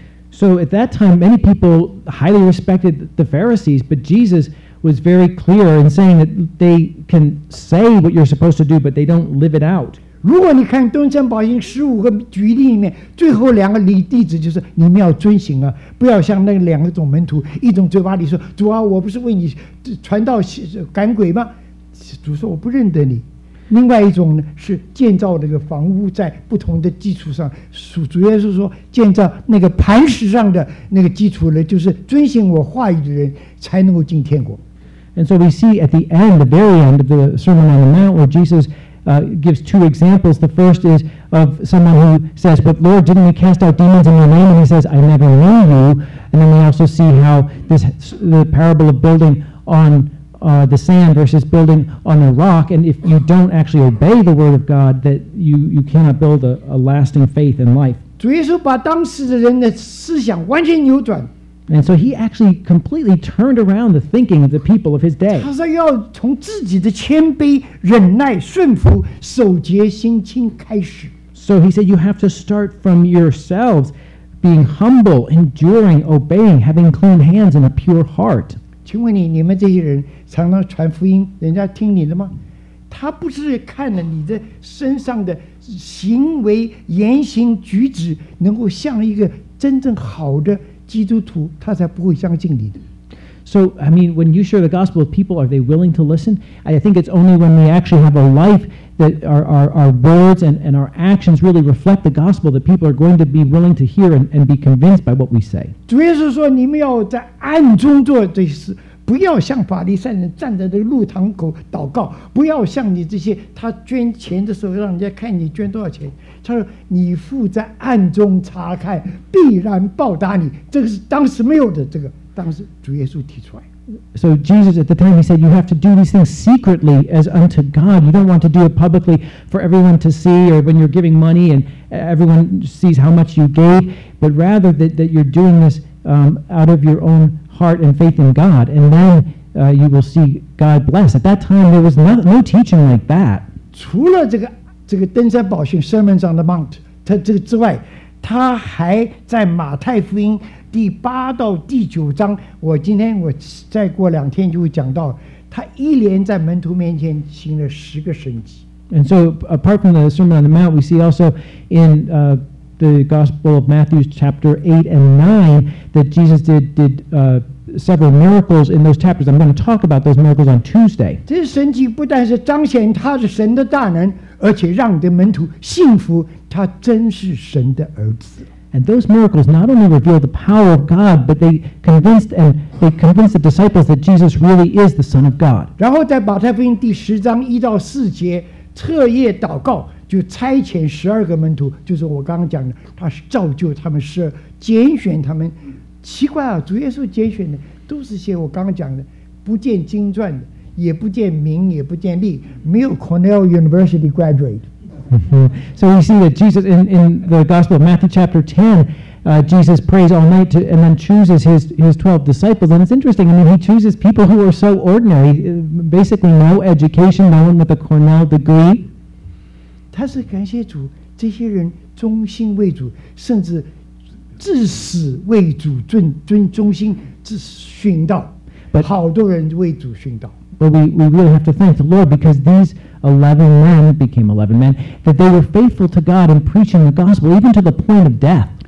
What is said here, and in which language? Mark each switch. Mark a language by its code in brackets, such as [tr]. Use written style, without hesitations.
[en] So, at that time, many people highly respected the Pharisees, but Jesus... was very clear in saying that they can say what you're supposed to do, but they don't live it out. [zh] 如果你看登山宝训十五个举例里面，最后两个例子就是你们要遵行啊，不要像那两个种门徒，一种嘴巴里说主啊，我不是为你传道赶鬼吗？主说我不认得你。另外一种呢是建造那个房屋在不同的基础上，主耶稣说建造那个磐石上的那个基础呢，就是遵行我话语的人才能够进天国。 [en] And so we see at the end, the very end of the Sermon on the Mount, where Jesus gives two examples. The first is of someone who says, "But Lord, didn't we cast out demons in your name?" And he says, "I never knew you." And then we also see how this the parable of building on. The sand versus building on a rock, and if you don't actually obey the word of God, that you cannot build a lasting faith in life. [zh] 主耶稣把当时的人的思想完全扭转。 [en] And so he actually completely turned around the thinking of the people of his day. [zh] 他说要从自己的谦卑、忍耐、顺服、守节、心清开始。 [en] So he said you have to start from yourselves, being humble, enduring, obeying, having clean hands and a pure heart. [zh] 请问你们这些人常常传福音，人家听你的吗？他不是看了你的身上的行为、言行举止，能够像一个真正好的基督徒，他才不会相信你的。 [en] So, I mean, when you share the gospel with people, are they willing to listen? I think it's only when we actually have a life that our words and our actions really reflect the gospel that people are going to be willing to hear and be convinced by what we say. [zh] 主耶稣说你们要在暗中做这事，不要像法利赛人站在这个路堂口祷告，不要像你这些他捐钱的时候让人家看你捐多少钱。他说你父在暗中查看，必然报答你。这个是当时没有的这个。当时主耶稣提出来。 [en] So Jesus at the time he said you have to do these things secretly as unto God. You don't want to do it publicly for everyone to see, or when you're giving money and everyone sees how much you gave, but rather that you're doing this out of your own heart and faith in God, and then you will see God bless. At that time there was no teaching like that. [zh] 除了这个登山宝训 [en] Sermons on the Mount [zh] 他这个之外，他还在马太福音第八到第九章，我今天我再过两天就会讲到，他一连在门徒面前行了十个神迹。 [en] And so, apart from the Sermon on the Mount, we see also in the Gospel of Matthew, chapter 8 and 9, that Jesus did several miracles in those chapters. I'm going to talk about those miracles on Tuesday. [zh] 这神迹不但是彰显他是神的大能，而且让你的门徒信服他真是神的儿子。 [en] And those miracles not only reveal the power of God, but they convinced the disciples that Jesus really is the Son of God. [zh] 然后在马太福音第十章一到四节，彻夜祷告，就差遣十二个门徒，就是我刚刚讲的，他是造就他们十二，拣选他们。奇怪啊，主耶稣拣选的都是些我刚刚讲的，不见经传的，也不见名，也不见利，没有 [en] Cornell University graduate。 So we see that Jesus in the Gospel of Matthew chapter 10, Jesus prays all night and then chooses his 12 disciples. And it's interesting, I mean, he chooses people who are so ordinary, basically no education, no one with a Cornell degree. [zh] 他是感谢主，这些人忠心为主，甚至至死为主忠心，至殉道。 [en] But, [zh] 好多人为主殉道。 [en] But we really have to thank the Lord because these 11 men became 11 men, that they were faithful to God in preaching the gospel, even to the point of death.